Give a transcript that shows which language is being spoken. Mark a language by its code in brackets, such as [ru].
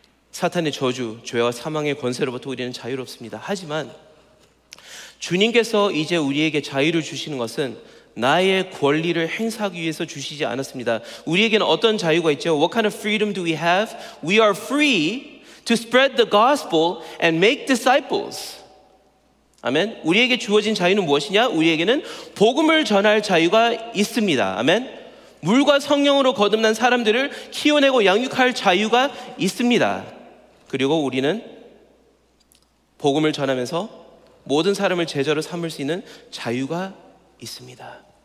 [ko] 사탄의 저주, 죄와 사망의 권세로부터 우리는 자유롭습니다. 하지만 주님께서 이제 우리에게 자유를 주시는 것은 나의 권리를 행사하기 위해서 주시지 않았습니다. 우리에게는 어떤 자유가 있죠? [en] What kind of freedom do we have? We are free to spread the gospel and make disciples. [ko] 아멘. 우리에게 주어진 자유는 무엇이냐? 우리에게는 복음을 전할 자유가 있습니다. 아멘. 물과 성령으로 거듭난 사람들을 키워내고 양육할 자유가 있습니다. 그리고 우리는 복음을 전하면서 모든 사람을 제자로 삼을 수 있는 자유가 있습니다.